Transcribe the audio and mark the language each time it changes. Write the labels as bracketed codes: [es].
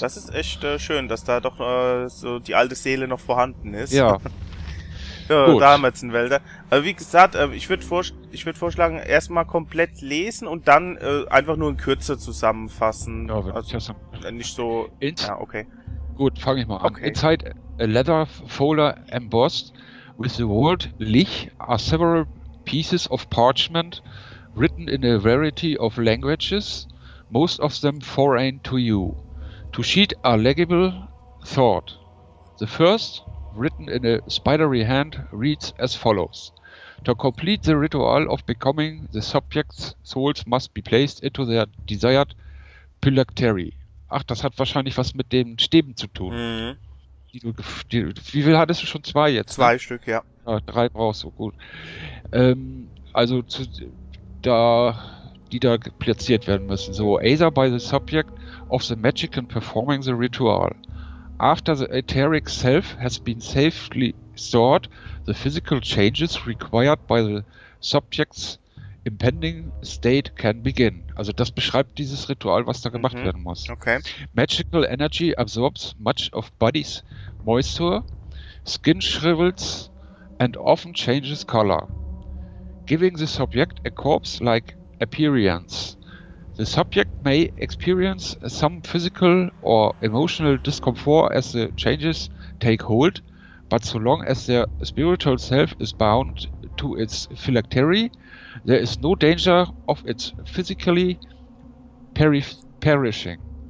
[de] Das ist echt schön, dass da doch so die alte Seele noch vorhanden ist. Ja. Damals in Wälder. Also wie gesagt, ich würde vorschlagen, erstmal komplett lesen und dann einfach nur in Kürze zusammenfassen. Ja, nicht so. Okay. Gut, fange ich mal an. Okay. [en] Inside a leather folder embossed with the word Lich are several pieces of parchment written in a variety of languages, most of them foreign to you. To sheet a legible thought. The first written in a spidery hand reads as follows: To complete the ritual of becoming the subject's souls must be placed into their desired phylactery. [de] Ach, das hat wahrscheinlich was mit den Stäben zu tun. Mhm. Wie viel hattest du schon? 2 jetzt? 2, ne? Stück, ja. Ah, 3 brauchst du, gut. Die da platziert werden müssen. [en] So, either by the subject of the magician performing the ritual. After the etheric self has been safely stored, the physical changes required by the subject's Impending State can begin. [de] Also das beschreibt dieses Ritual, was da gemacht werden muss. Okay. [en] Magical energy absorbs much of body's moisture, skin shrivels and often changes color, giving the subject a corpse-like appearance. The subject may experience some physical or emotional discomfort as the changes take hold, but so long as their spiritual self is bound to its phylactery, there is no danger of its physically perishing.